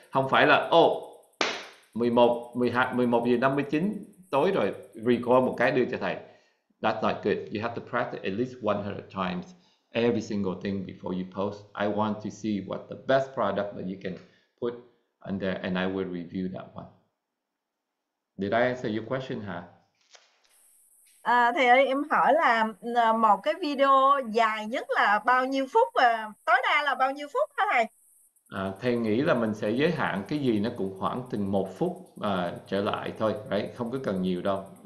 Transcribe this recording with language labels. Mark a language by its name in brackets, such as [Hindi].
[Vietnamese] Không phải là, oh, 11:59 tối rồi, [English] record [Vietnamese] một cái đưa cho thầy. [English] That's not good. You have to practice at least 100 times. Every single thing before you post, I want to see what the best product that you can put on there, and I will review that one. Did I answer your question, huh? [Vietnamese] Thầy ơi, em hỏi là một cái video dài nhất là bao nhiêu phút, tối đa là bao nhiêu phút hả thầy? Thầy nghĩ là mình sẽ giới hạn cái gì nó cũng khoảng từ một phút trở lại thôi, [English] right? [Vietnamese] Không có cần nhiều đâu.